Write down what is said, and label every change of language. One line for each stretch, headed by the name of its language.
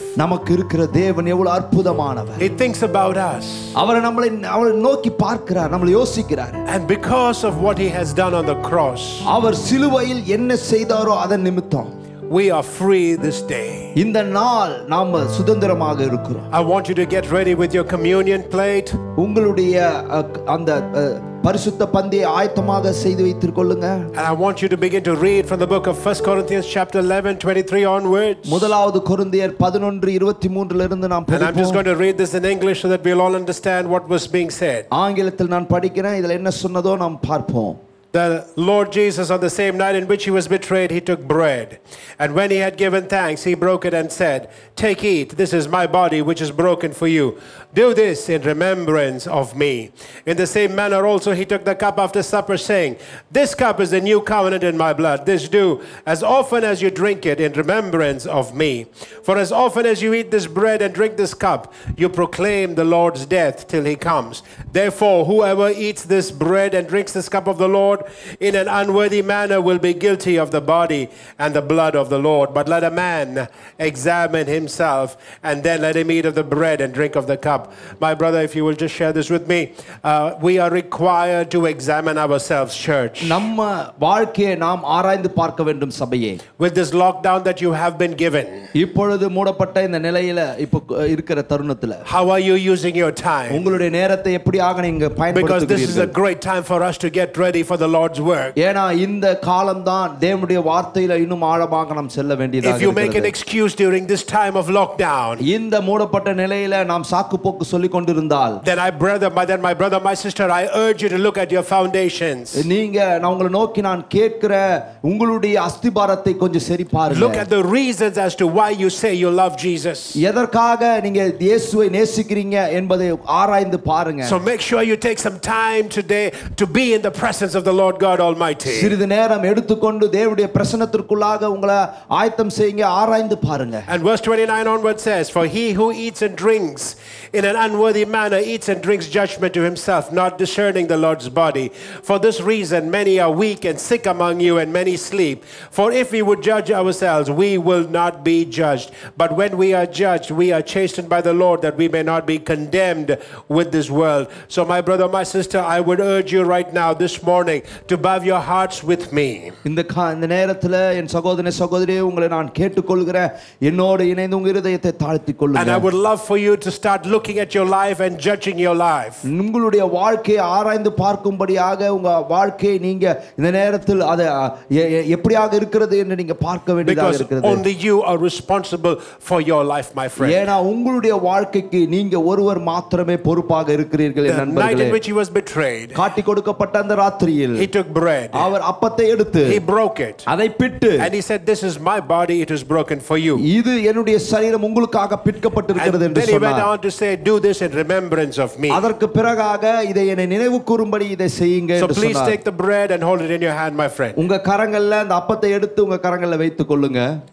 Tamil: நமக்கு இருக்கிற தேவன் எவ்வளவு அற்புதமானவர்.
English: He thinks about us.
Tamil: அவர் நம்மளை அவர் நோக்கி பார்க்கிறார், நம்மளை யோசிக்கிறார்.
English: And because of what he has done on the cross.
Tamil: அவர் சிலுவையில் என்ன செய்தாரோ அதன் நிமித்தம்
English: we are free this day.
Tamil: இந்த நாள் நாம் சுதந்திரமாக இருக்கிறோம்.
English: I want you to get ready with your communion plate.
Tamil: உங்களுடைய அந்த பரிசுத்த பந்தியை ஆயத்தமாக செய்து வைத்துக்கொள்ளுங்க.
English: And I want you to begin to read from the book of 1 Corinthians chapter 11 23 onwards.
Tamil: முதலாவது கொரிந்தியர் 11:23 இருந்து நாம் படிப்போம்.
English: And I'm just going to read this in English so that we'll all understand what was being said.
Tamil: ஆங்கிலத்தில் நான் படிக்கிறேன், இதில் என்ன சொன்னதோ நாம் பார்ப்போம்.
English: The Lord Jesus on the same night in which he was betrayed, he took bread. And when he had given thanks, he broke it and said, "Take, eat, this is my body which is broken for you. Do this in remembrance of me." In the same manner also he took the cup after supper, saying, "This cup is the new covenant in my blood. This do as often as you drink it in remembrance of me. For as often as you eat this bread and drink this cup, you proclaim the Lord's death till he comes. Therefore, whoever eats this bread and drinks this cup of the Lord in an unworthy manner will be guilty of the body and the blood of the Lord. But let a man examine himself, and then let him eat of the bread and drink of the cup." My brother, if you will just share this with me, we are required to examine ourselves, church.
Tamil: நம்ம வாழ்க்கையை நாம் ஆராய்ந்து பார்க்க வேண்டும் சபையே.
English: With this lockdown that you have been given.
Tamil: இப்பொழுது மூடப்பட்ட இந்த நிலையில இப்ப இருக்கிற தருணத்துல.
English: How are you using your time?
Tamil: உங்களுடைய நேரத்தை எப்படி ஆக நீங்க பயன்படுத்துகிறீர்கள்?
English: Because this is a great time for us to get ready for the Lord's work.
Tamil: ஏனா இந்த காலம்தான் தேவனுடைய வார்த்தையில இன்னும் ஆழமாக நாம் செல்ல வேண்டியதாக இருக்கு.
English: If you make an excuse during this time of lockdown.
Tamil: இந்த மூடப்பட்ட நிலையில நாம் சாக்கு
English: Then my brother, my sister, I urge you to look at your foundations.
Tamil: நீங்க நாங்கள நோக்கி நான் கேக்குற உங்களுடைய அஸ்திபாரத்தை கொஞ்சம் சரி பாருங்க.
English: Look at the reasons as to why you say you love Jesus.
Tamil: எதற்காக நீங்க இயேசுவை நேசிக்கிறீங்க என்பதை ஆராய்ந்து பாருங்க.
English: So make sure you take some time today to be in the presence of the Lord. Lord God Almighty.
Tamil: சிறிது நேரம் எடுத்துக்கொண்டு தேவனுடைய பிரசன்னத்திற்குள்ளாக உங்களை ஆயத்தம் செய்யுங்க, ஆராய்ந்து பாருங்க.
English: And verse 29 onward says, for he who eats and drinks in an unworthy manner eats and drinks judgment to himself, not discerning the Lord's body. For this reason many are weak and sick among you, and many sleep. For if we would judge ourselves, we will not be judged. But when we are judged, we are chastened by the Lord, that we may not be condemned with this world. So my brother, my sister, I would urge you right now, this morning, to bow your hearts with me.
Tamil: இந்த நேரத்துல என் சகோதரனே, சகோதரியே, உங்களை நான் கேட்டுக்கொள்கிறேன், என்னோடு இணைந்து உங்க இருதயத்தை தாழ்த்திக் கொள்ளுங்க.
English: And I would love for you to start looking at your life and judging your life.
Tamil: உங்களுடைய வாழ்க்கையை ஆராய்ந்து பார்க்கும்படியாக உங்க வாழ்க்கையை நீங்க இந்த நேரத்தில் அது எப்படியாக இருக்கிறது என்று நீங்க பார்க்க வேண்டியதாக இருக்கிறது.
English: Because only you are responsible for your life, my friend.
Tamil: ஏனா உங்களுடைய வாழ்க்கைக்கு நீங்க ஒருவர் மாத்திரமே பொறுப்பாக இருக்கிறீர்கள் என் நண்பர்களே.
English: The night in which he was betrayed.
Tamil: காட்டி கொடுக்கப்பட்ட அந்த ராத்திரியில்
English: he took bread.
Tamil: அவர் அப்பத்தை எடுத்து
English: he broke it.
Tamil: அதை பிட்டு
English: and he said, this is my body, it is broken for you.
Tamil: இது என்னுடைய சரீரம் உங்களுக்காக பிட்கப்பட்டிருக்கிறது என்று சொன்னார்.
English: To say, do this in remembrance of me.
Tamil: அதற்கு பிறகாக இதை என்ன நினைவுகூரும்படி இதை செய்யுங்க என்று சொன்னார்.
English: So please take the bread and hold it in your hand, my friend.
Tamil: உங்க கரங்கள்ல அந்த அப்பத்தை எடுத்து உங்க கரங்கள்ல வைத்துக் கொள்ளுங்க.